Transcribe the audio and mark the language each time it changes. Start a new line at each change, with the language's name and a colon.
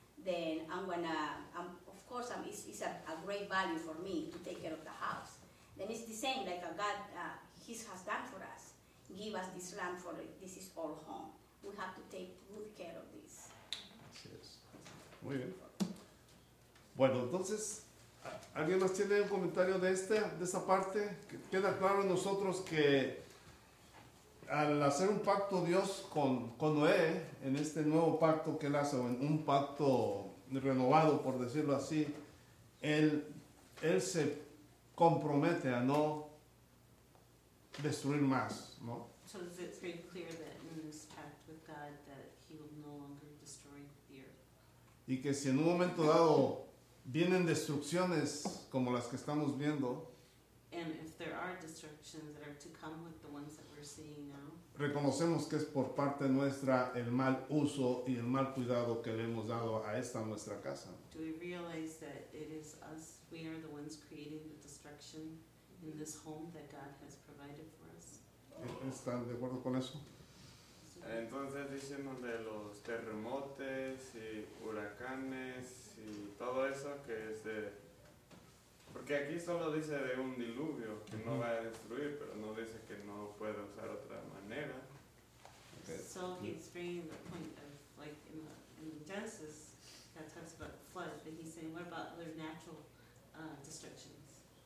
English: Then it's a great value for me to take care of the house. Then it's the same like a God, He has done for us. Give us this land for it. This is our home. We have to take good care of this.
Spanish: Yes. Muy bien. Bueno, entonces. ¿Alguien más tiene un comentario de esta parte? ¿Queda claro en nosotros que al hacer un pacto Dios con Noé, en este nuevo pacto que él hace, o en un pacto renovado, por decirlo así, él se compromete a no destruir más, ¿no?
English: So is it very clear that in this pact with God that he will no longer destroy the earth?
Spanish: Y que si en un momento dado vienen destrucciones como las que estamos viendo.
English: And if there are destructions that are to come with the ones that we're seeing now,
Spanish: reconocemos que es por parte nuestra el mal uso y el mal cuidado que le hemos dado a esta nuestra casa.
English: Do we realize that it is us, we are the ones creating the destruction in this home that God has provided for us?
Spanish: ¿Están de acuerdo con eso? Entonces diciendo de los terremotos y huracanes y todo eso que es de... Porque aquí solo dice de un diluvio que no va a destruir, pero no dice que no puede usar otra manera.
English: So he's bringing the point of, like, in Genesis, that talks about flood, but he's saying, what about other natural destructions?